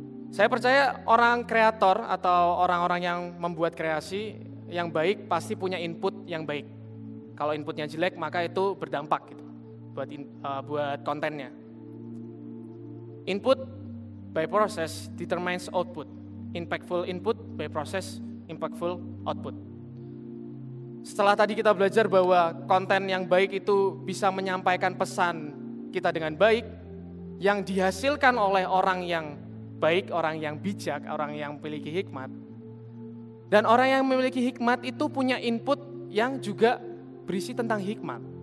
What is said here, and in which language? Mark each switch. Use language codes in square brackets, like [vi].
[id] Saya percaya orang kreator atau orang-orang yang membuat kreasi yang baik pasti punya input yang baik. Kalau inputnya jelek maka itu berdampak gitu, buat kontennya. [en] Input by process determines output. Impactful input by process, impactful output. [id] Setelah tadi kita belajar bahwa konten yang baik itu bisa menyampaikan pesan kita dengan baik, yang dihasilkan oleh orang yang baik, orang yang bijak, orang yang memiliki hikmat, dan orang yang memiliki hikmat itu punya input yang juga berisi tentang hikmat.